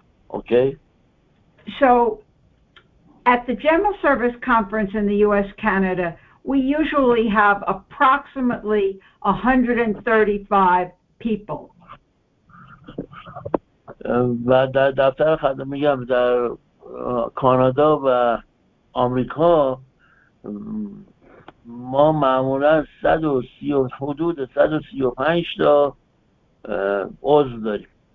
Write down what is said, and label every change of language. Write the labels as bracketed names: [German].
[English] Okay? So at the General Service Conference in the US Canada, we usually have approximately 135 people. [Persian] و در دفتر خدمه میگم در کانادا و آمریکا ما معمولا 130 حدود 135 تا عضو داریم.